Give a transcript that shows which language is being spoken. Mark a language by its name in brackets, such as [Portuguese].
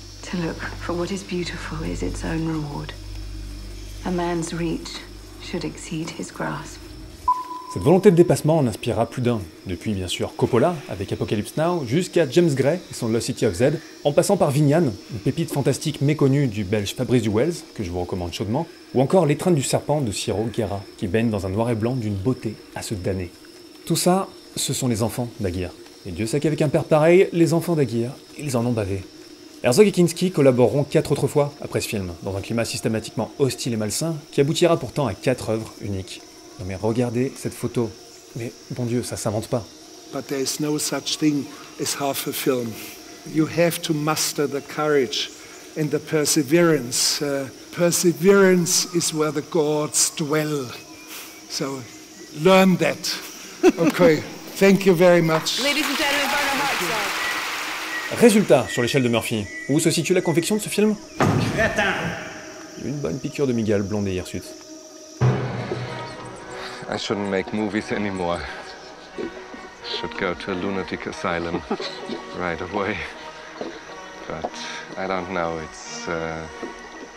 [English] To look for what is beautiful is its own reward. A man's reach should exceed his grasp. [French] Cette volonté de dépassement en inspirera plus d'un, depuis bien sûr Coppola avec Apocalypse Now, jusqu'à James Gray et son Lost City of Z, en passant par Vinyan, une pépite fantastique méconnue du belge Fabrice Duwels, que je vous recommande chaudement, ou encore L'étreinte du serpent de Ciro Guerra, qui baigne dans un noir et blanc d'une beauté à se damner. Tout ça, ce sont les enfants d'Aguirre. Et Dieu sait qu'avec un père pareil, les enfants d'Aguirre, ils en ont bavé. Herzog et Kinski collaboreront 4 autres fois après ce film, dans un climat systématiquement hostile et malsain, qui aboutira pourtant à 4 œuvres uniques. Non mais regardez cette photo. Mais bon Dieu, ça s'invente pas. [English] But there is no such thing as half a film. You have to master the courage and the perseverance. Perseverance is where the gods dwell. So learn that. Okay. Thank you very much. Ladies and gentlemen, Bernard Herzog. [French] Résultat sur l'échelle de Murphy. Où se situe la confection de ce film? Crétin. Une bonne piqûre de migale blonde et hirsute. [English] I shouldn't make movies anymore. Should go to a lunatic asylum right away. But I don't know, it's